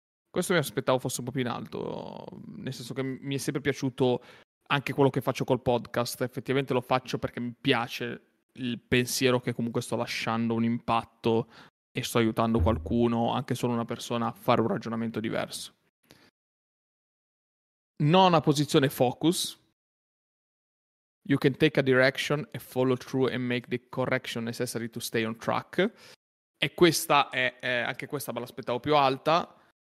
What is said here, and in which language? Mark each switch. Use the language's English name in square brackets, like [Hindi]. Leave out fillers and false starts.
[Italian] Questo mi aspettavo fosse un po' più in alto, nel senso che mi è sempre piaciuto anche quello che faccio col podcast. Effettivamente lo faccio perché mi piace il pensiero che comunque sto lasciando un impatto e sto aiutando qualcuno, anche solo una persona, a fare un ragionamento diverso. Nona posizione, focus. [English] You can take a direction and follow through and make the correction necessary to stay on track. [Italian] E questa è anche questa me l'aspettavo più alta.